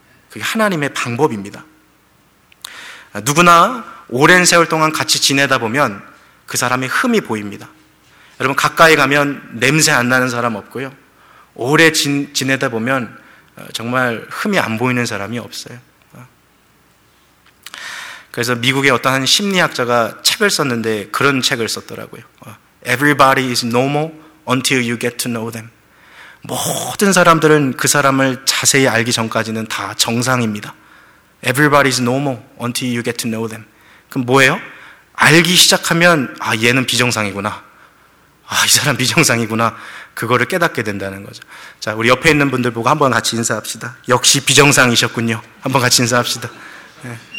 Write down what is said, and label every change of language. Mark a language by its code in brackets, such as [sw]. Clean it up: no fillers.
[ko] 그게 하나님의 방법입니다. 누구나 오랜 세월 동안 같이 지내다 보면 그 사람의 흠이 보입니다. 여러분, 가까이 가면 냄새 안 나는 사람 없고요. 오래 지내다 보면 정말 흠이 안 보이는 사람이 없어요. 그래서 미국의 어떤 한 심리학자가 책을 썼는데 그런 책을 썼더라고요. [en] Everybody is normal until you get to know them. [ko] 모든 사람들은 그 사람을 자세히 알기 전까지는 다 정상입니다. [en] Everybody is normal until you get to know them. [ko] 그럼 뭐예요? 알기 시작하면 아, 얘는 비정상이구나. 아, 이 사람 비정상이구나. 그거를 깨닫게 된다는 거죠. 자, 우리 옆에 있는 분들 보고 한번 같이 인사합시다. 역시 비정상이셨군요. 한번 같이 인사합시다. 네.